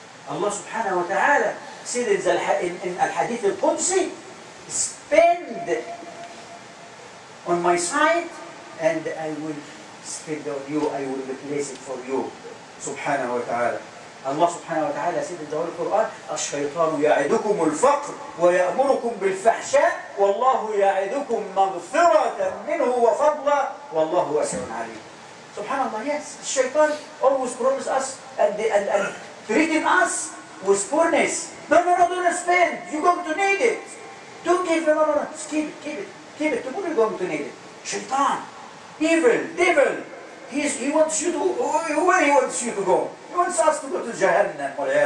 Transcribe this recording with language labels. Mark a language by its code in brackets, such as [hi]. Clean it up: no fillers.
[en] Allah subhanahu wa ta'ala said in al-hadith al-Qudsi, spend on my side and I will spend on you, I will replace it for you, subhanahu wa ta'ala. Allah subhanahu wa ta'ala said in the Holy Quran, [ar] الشيطان يعدكم الفقر ويأمركم بالفحشاء والله يعدكم مغفرة منه وفضلا والله واسع عليم. [en] Subhanallah, yes, الشيطان always promised us and treating us with poorness. No, don't spend. You're going to need it. Don't give it. No. Just keep it. Tomorrow you're going to need it. Shaitan. Devil. He wants you to, where he wants you to go? He wants us to go to Jahannam.